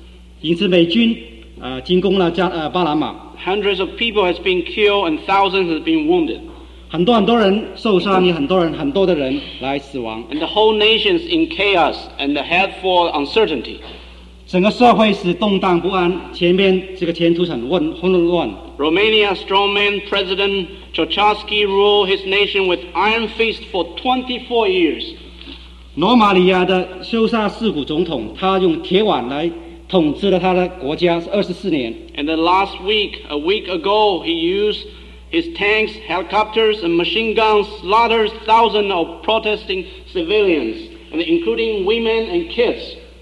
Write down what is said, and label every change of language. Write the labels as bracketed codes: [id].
[zh] 上个礼拜三，巴拿马的诺里亚总统，将军他那个独裁的政治，引致美军进攻了巴拿马。 [en] Hundreds of people have been killed and thousands have been wounded. [zh] 很多很多人受伤，也很多人很多的人来死亡。 [en] And the whole nation is in chaos and head for uncertainty. [zh] 整个社会是动荡不安，前面这个前途很混乱。 [en] Romania's strongman President Ceaușescu ruled his nation with iron fist for 24 years. [zh] 罗马尼亚的修萨斯古总统，他用铁腕来统治了他的国家24年。 [en] And then last week, a week ago, he used his tanks, helicopters, and machine guns slaughtered thousands of protesting civilians, and including women and kids.